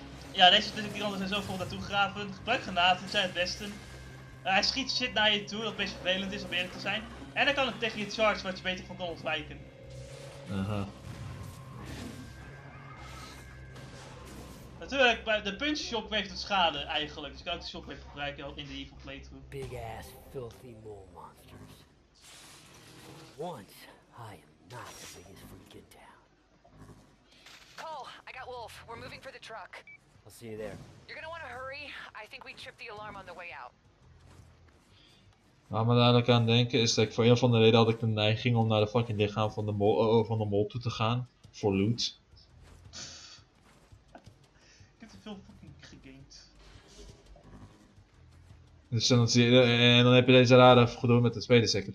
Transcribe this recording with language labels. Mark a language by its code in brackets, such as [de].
[nl] Ja, deze is niet anders en zo vol naartoe gegraven. Gebruik granaten, zijn het beste. Hij schiet shit naar je toe, dat best vervelend is om eerlijk te zijn. En dan kan het tegen je charge wat je beter van kan ontwijken. Aha. Natuurlijk, de punch shockwave doet schade eigenlijk. Dus je kan ook de shockwave gebruiken in de evil playthrough. [en] Big ass filthy mole monsters. Once I am not the biggest freak in town. Cole, I got Wolf. We're moving for the truck. I'll see you there. You're gonna want to hurry. I think we tripped the alarm on the way out. [nl] Waar me dadelijk aan denken is dat ik voor een of andere reden had ik de neiging om naar de fucking lichaam van de mol, toe te gaan. Voor loot. Ik heb te veel fucking gegamed. Dus dan zie je, en dan heb je deze rare gedoe met de tweede second.